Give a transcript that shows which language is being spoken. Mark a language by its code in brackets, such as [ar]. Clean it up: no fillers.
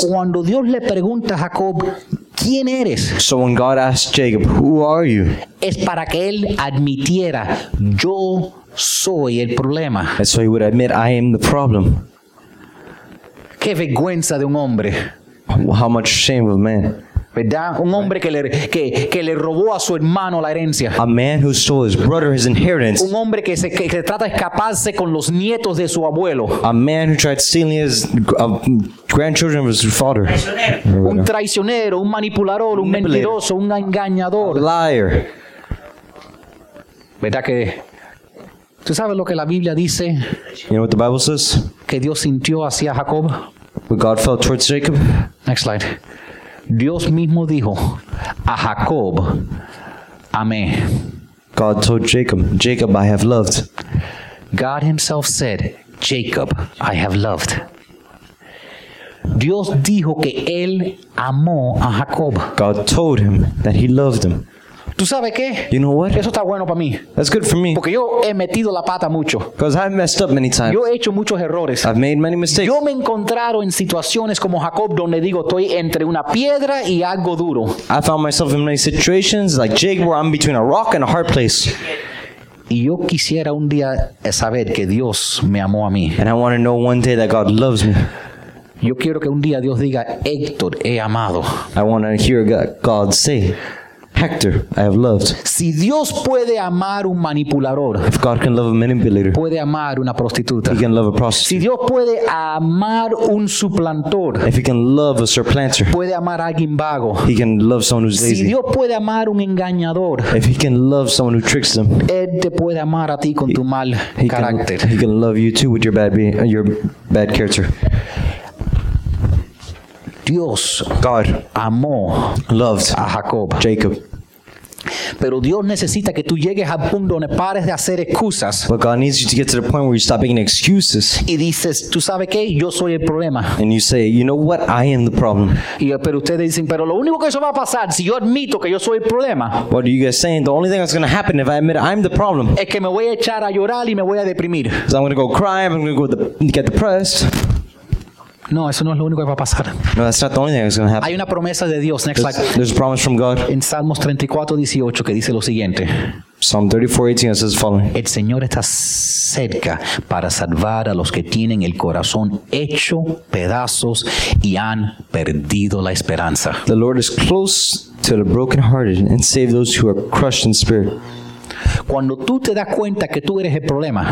[es] So cuando Dios le pregunta a Jacob, ¿quién eres? [en] So when God asked Jacob, who are you? [es] Es para que él admitiera, yo soy el problema. [en] And so he would admit, I am the problem. [es] Qué vergüenza de un hombre. [en] How much shame of a man. [es] ¿Verdad? Un hombre que le robó a su hermano la herencia. [en] A man who stole his brother his inheritance. [es] Un hombre que se trata de escaparse con los nietos de su abuelo. [en] A man who tried stealing his grandchildren of his father. [es] Un traicionero, un manipulador, un mentiroso, un engañador. [en] A liar. [es] ¿Verdad que tú sabes lo que la Biblia dice? [en] You know what the Bible says? [es] Que Dios sintió hacia Jacob. [en] What God felt towards Jacob. Next slide. [es] Dios mismo dijo a Jacob, amé. [en] God told Jacob, Jacob, I have loved. God himself said, Jacob, I have loved. [es] Dios dijo que él amó a Jacob. [en] God told him that he loved him. [es] ¿Tú sabes qué? [en] You know what? [es] Eso está bueno para mí. [en] That's good for me. [es] Porque yo he metido la pata mucho. [en] Because I've messed up many times. [es] Yo he hecho muchos errores. [en] I've made many mistakes. [es] Yo me he encontrado en situaciones como Jacob, donde digo, estoy entre una piedra y algo duro. [en] I found myself in many situations like Jake, where I'm between a rock and a hard place. [es] Y yo quisiera un día saber que Dios me amó a mí. [en] And I want to know one day that God loves me. [es] Yo quiero que un día Dios diga, Héctor, he amado. [en] I want to hear God say, Hector, I have loved. [es] Si Dios puede amar un manipulador, [en] if God can love a manipulator, [es] puede amar una prostituta, [en] he can love a prostitute. [es] Si Dios puede amar un suplantor, [en] if he can love a surplanter, [es] puede amar a alguien vago, [en] he can love someone who's lazy. [es] Si Dios puede amar un engañador, [en] if he can love someone who tricks them, [es] él te puede amar a ti con tu mal carácter. [en] He can love you too with your bad character. [es] Dios, [en] God, [es] amó, [en] loved [es] a Jacob. [en] Jacob. [es] Pero Dios necesita que tú llegues al punto donde pares de hacer excusas. [en] But God needs you to get to the point where you stop making excuses. [es] Y dices, ¿tú sabes qué? Yo soy el problema. [en] And you say, you know what? I am the problem. [es] Y pero ustedes dicen, pero lo único que eso va a pasar si yo admito que yo soy el problema. [en] What are you guys saying? The only thing that's going to happen if I admit I'm the problem. [es] Es que me voy a echar a llorar y me voy a deprimir. [en] So I'm going to go cry. I'm going to go get depressed. [es] No, eso no es lo único que va a pasar. [en] No, that's not the only thing that's going to happen. [es] Hay una promesa de Dios. [en] Next slide. There's a promise from God. [es] En Salmos 34:18 que dice lo siguiente. [en] Psalm 34:18 says the following. [es] El Señor está cerca para salvar a los que tienen el corazón hecho pedazos y han perdido la esperanza. [en] The Lord is close to the brokenhearted and save those who are crushed in spirit. [es] Cuando tú te das cuenta que tú eres el problema.